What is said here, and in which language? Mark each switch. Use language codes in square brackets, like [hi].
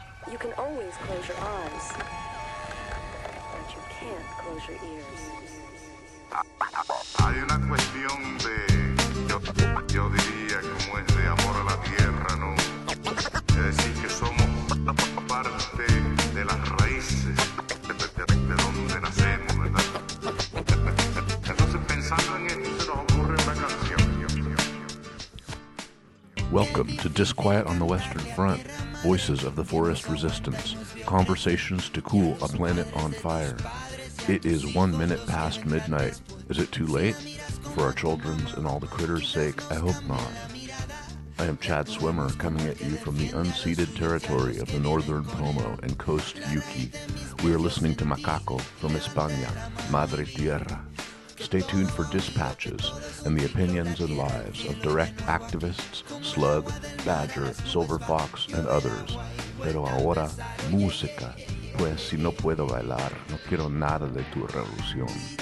[en] You can always close your eyes, but you can't close your ears. [es] Hay una cuestión de, yo diría como es de amor a la tierra, ¿no? Es decir que somos parte de las raíces de donde nacemos, ¿verdad? Entonces pensando en esto se nos ocurre una canción. [en] Welcome to Disquiet on the Western Front, Voices of the Forest Resistance, Conversations to Cool a Planet on Fire. It is 1 minute past midnight. Is it too late? For our children's and all the critters' sake, I hope not. I am Chad Swimmer, coming at you from the unceded territory of the northern Pomo and Coast Yuki. We are listening to Macaco from España, Madre Tierra. Stay tuned for dispatches and the opinions and lives of direct activists, slug, badger, silver fox, and others. [es] Pero ahora, música, pues si no puedo bailar, no quiero nada de tu revolución.